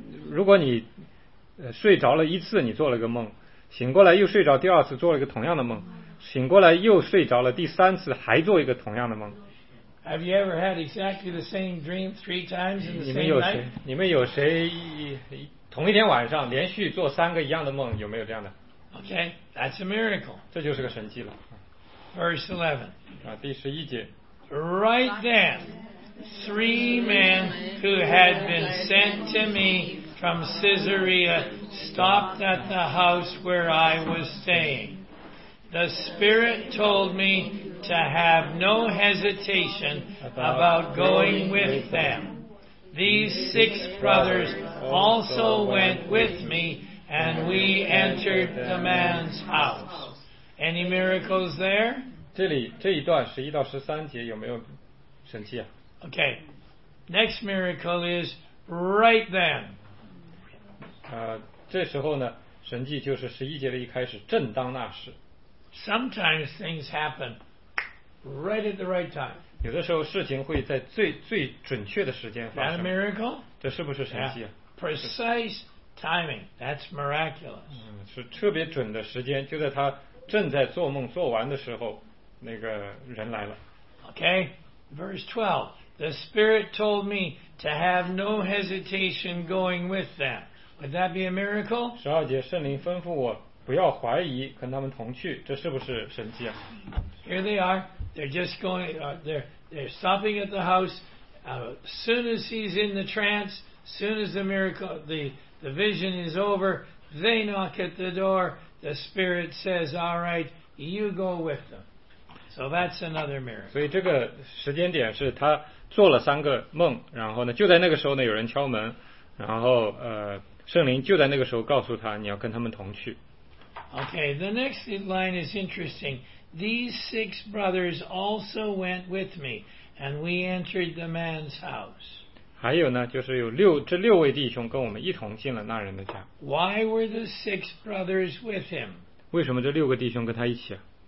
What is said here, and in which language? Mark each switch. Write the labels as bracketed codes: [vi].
[zh] 如果你睡着了一次，你做了个梦，醒过来又睡着第二次，做了一个同样的梦，醒过来又睡着了第三次，还做一个同样的梦。 [en] Have you ever had exactly the same dream three times in the same night? [zh] 你们有谁同一天晚上连续做三个一样的梦，有没有这样的？ [en] Okay, that's a miracle. [zh] 这就是个神迹了。 [en] Verse 11. [zh] 第十一节。 [en] Right then, three men who had been sent to me from Caesarea stopped at the house where I was staying. The Spirit told me to have no hesitation about going with them. These six brothers also went with me, and we entered the man's house. Any miracles there? [zh] 这一段11到13节有没有神迹啊？ [en] Okay. Next miracle is right then. [zh] 这时候呢，神迹就是十一节的一开始，正当那时。 [en] Sometimes things happen right at the right time. [zh] 有的时候事情会在最最准确的时间发生。 [en] That a miracle? [zh] 这是不是神迹啊？ [en] Yeah. Precise timing. That's miraculous. [zh] 是特别准的时间，就在他正在做梦做完的时候，那个人来了。 [en] Okay, verse 12. The Spirit told me to have no hesitation going with them. Would that be a miracle? [zh] 十二节，圣灵吩咐我不要怀疑，跟他们同去，这是不是神迹啊？ [en] Here they are. They're just going. They're stopping at the house. Soon as he's in the trance, soon as the miracle, the vision is over, they knock at the door. The Spirit says, "All right, you go with them." So that's another miracle. [zh] 所以这个时间点是他做了三个梦，然后呢，就在那个时候呢，有人敲门。然后圣灵就在那个时候告诉他，你要跟他们同去。 [en] Okay, the next line is interesting. These six brothers also went with me, and we entered the man's house. [zh] 还有呢，就是有六这六位弟兄跟我们一同进了那人的家。 [en] Why were the six brothers with him? [zh] 为什么这六个弟兄跟他一起啊？